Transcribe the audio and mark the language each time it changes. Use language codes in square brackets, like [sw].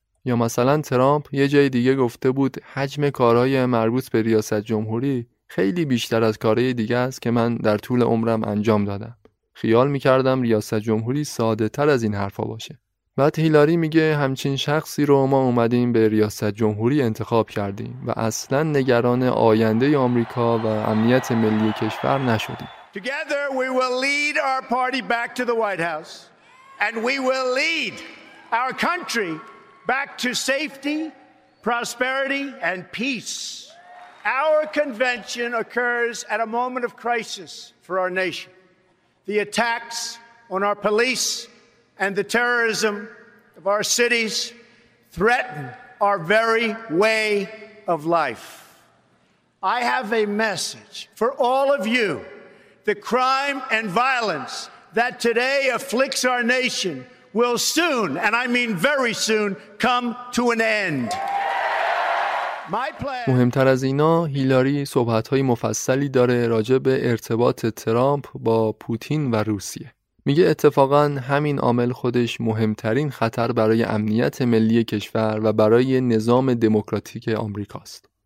[fa] یا مثلا ترامپ یه جای دیگه گفته بود حجم کارهای مربوط به ریاست جمهوری خیلی بیشتر از کارهای دیگه است که من در طول عمرم انجام دادم. خیال می کردم ریاست جمهوری ساده تر از این حرفا باشه. بعد هیلاری میگه همچین شخصی رو ما اومدیم به ریاست جمهوری انتخاب کردیم و اصلا نگران آینده آمریکا و امنیت ملی کشور نشدیم. [en] Together we will lead our party back to the White House and we will lead our country back to safety, prosperity and peace. Our convention occurs at a moment of crisis for our nation. The attacks on our police and the terrorism of our cities threaten our very way of life. I have a message for all of you. The crime and violence that today afflicts our nation will soon, and I mean very soon, come to an end. [fa] مهمتر از اینا، هیلاری صحبت‌های مفصلی داره راجع به ارتباط ترامپ با پوتین و روسیه. میگه اتفاقا همین عامل خودش مهمترین خطر برای امنیت ملی کشور و برای نظام دموکراتیک آمریکاست.